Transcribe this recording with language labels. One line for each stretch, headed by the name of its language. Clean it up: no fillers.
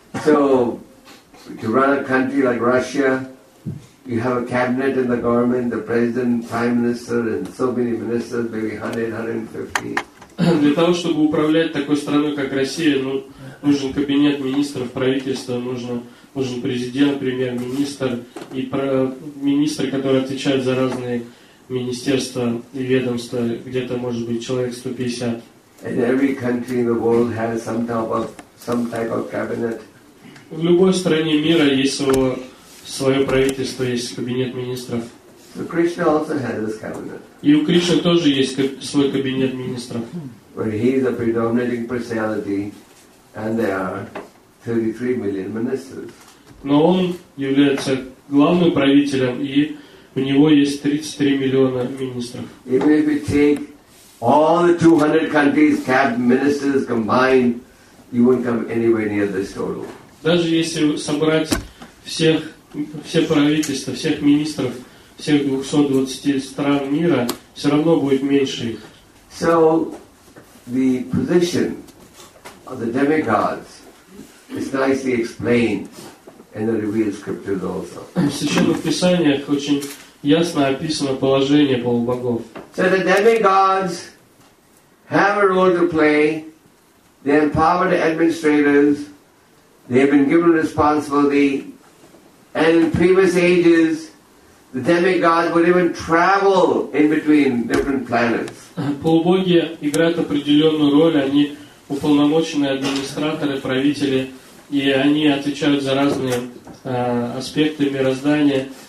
English: So, to run a country like Russia, you have a cabinet in the government, the president, prime minister, and so many ministers, maybe 100-150.
Russian: Для того, чтобы управлять такой страной, как Россия, ну, нужен кабинет министров, правительство, нужен президент, премьер-министр и министры, которые отвечают за разные министерства и ведомства, где-то может быть человек 150.
English: And every country in the world has some type of cabinet.
Russian: В любой стране мира есть свое правительство, есть кабинет министров.
English: So Krishna also has his cabinet.
Russian: И у Кришны тоже есть свой кабинет министров.
English: But he is a predominating personality, and there are 33 million ministers.
Russian: Но он является главным правителем, и у него есть 33 миллиона министров.
English: Even if you take all the 200 countries' cabinet ministers combined, you won't come anywhere near this total.
Russian: Даже если собрать все правительства, всех министров всех 220 стран мира, все равно будет меньше их.
English: So, the position of the demigods is nicely explained in the revealed scriptures also.
Russian: В Священных Писаниях очень ясно описано положение полубогов.
English: So, the demigods have a role to play. They empower the administrators. They have been given responsibility. And in previous ages, the demigods would even travel in between different planets.
Russian: Полубоги играют определенную роль. Они уполномоченные администраторы, правители, и они отвечают за разные аспекты мироздания.